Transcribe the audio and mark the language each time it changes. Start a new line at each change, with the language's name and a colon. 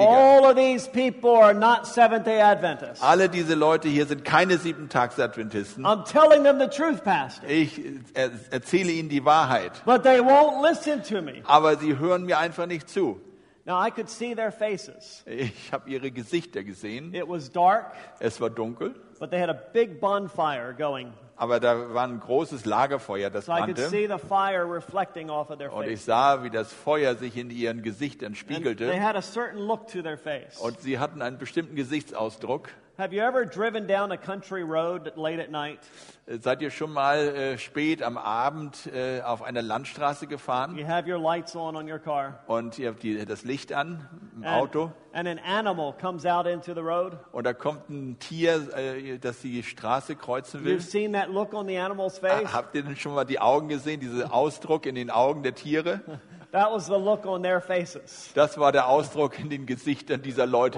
English: All of these people are not Seventh-day Adventists.
German: Alle diese Leute hier sind keine Siebentags-Adventisten.
English: I'm telling them the truth, Pastor.
German: Ich erzähle ihnen die Wahrheit.
English: But they won't listen to me.
German: Aber sie hören mir einfach nicht zu.
English: Now I could see their faces.
German: Ich habe ihre Gesichter gesehen.
English: It was dark.
German: Es war dunkel.
English: But they had a big bonfire going.
German: Aber da war ein großes Lagerfeuer, das brannte.
English: So I could see the fire reflecting off of their face.
German: Und ich sah, wie das Feuer sich in ihren Gesichtern spiegelte.
English: And they had a certain look to their face.
German: Und sie hatten einen bestimmten Gesichtsausdruck.
English: Have you ever driven down a country road late at night?
German: Seid ihr schon mal spät am Abend auf einer Landstraße gefahren?
English: You have your lights on your car.
German: Und ihr habt das Licht an im Auto.
English: And an animal comes out into the road.
German: Und da kommt ein Tier, das die Straße kreuzen will.
English: You've seen that look on the animal's face?
German: Habt ihr denn schon mal die Augen gesehen, diesen Ausdruck in den Augen der Tiere?
English: That was the look on their faces.
German: Das war der Ausdruck in den Gesichtern dieser Leute,